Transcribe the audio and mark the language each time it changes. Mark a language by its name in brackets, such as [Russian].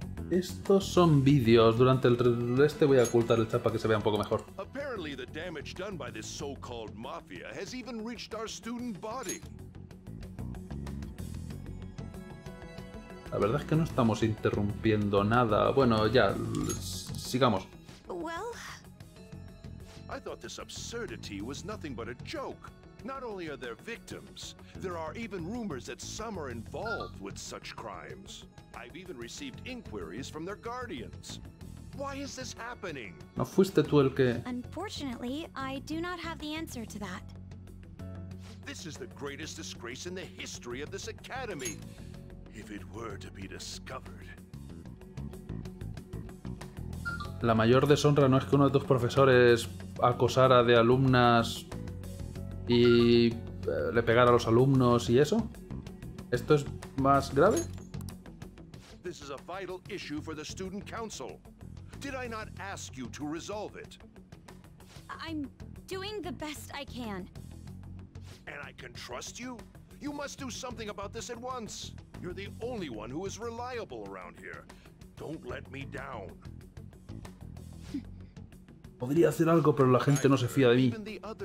[Spanish] Estos son vídeos. Durante el este voy a ocultar el chat para que se vea un poco mejor. [English] Apparently the damage done by this so-called mafia has even reached our student body. [Spanish] La verdad es que no estamos interrumpiendo nada. Bueno, ya, sigamos. [English] Well, I thought this absurdity was nothing but a joke. Not only are there victims, there are even rumors that some are involved with such crimes. I've even received inquiries from their guardians. Why is this happening? [Spanish] ¿No fuiste tú el que...? [English] Unfortunately, I do not have the answer to that. This is the greatest disgrace in the history of this academy. If it were to be discovered. [Spanish] La mayor deshonra no es que uno de tus profesores acosara de alumnas y le pegara a los alumnos y eso. ¿Esto es más grave? [English] This is a vital issue for the student council. Did I not ask you to resolve it? I'm doing the best I can. And I can trust you? You must do something about this at once. You're the only one who is reliable around here. Don't let me down. [Spanish] Podría hacer algo, pero la gente no se fía de mí.